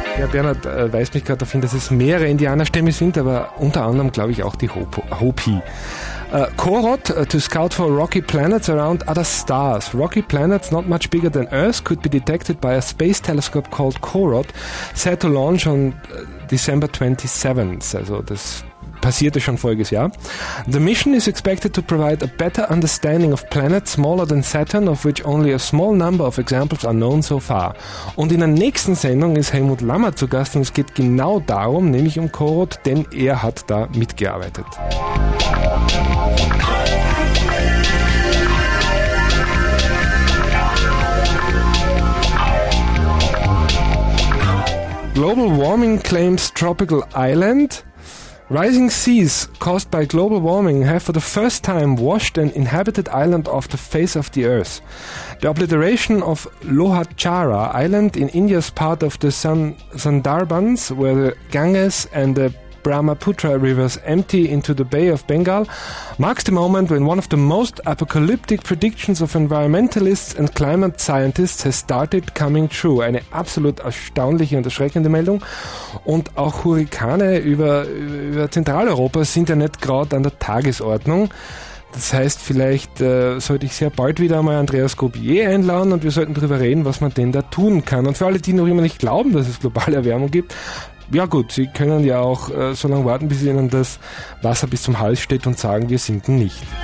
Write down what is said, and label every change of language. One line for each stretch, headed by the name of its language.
German: Bernhard weist mich gerade darauf hin, dass es mehrere Indianerstämme sind, aber unter anderem glaube ich auch die Hopi.
English: Korot, to scout for rocky planets around other stars. Rocky planets not much bigger than Earth could be detected by a space telescope called Korot, set to launch on December 27th.
German: Also das passierte schon voriges Jahr.
English: The mission is expected to provide a better understanding of planets smaller than Saturn, of which only a small number of examples are known so far.
German: Und in der nächsten Sendung ist Helmut Lammer zu Gast und es geht genau darum, nämlich um Corot, denn er hat da mitgearbeitet.
English: Global warming claims tropical island. Rising seas caused by global warming have for the first time washed an inhabited island off the face of the earth. The obliteration of Lohatchara Island in India's part of the Sundarbans, where the Ganges and the Brahmaputra rivers empty into the Bay of Bengal, marks the moment when one of the most apocalyptic predictions of environmentalists and climate scientists has started coming true.
German: Eine absolut erstaunliche und erschreckende Meldung. Und auch Hurrikane über Zentraleuropa sind ja nicht gerade an der Tagesordnung. Das heißt, vielleicht sollte ich sehr bald wieder mal Andreas Gobier einladen und wir sollten darüber reden, was man denn da tun kann. Und für alle, die noch immer nicht glauben, dass es globale Erwärmung gibt, ja gut, Sie können ja auch so lange warten, bis Ihnen das Wasser bis zum Hals steht und sagen, wir sinken nicht.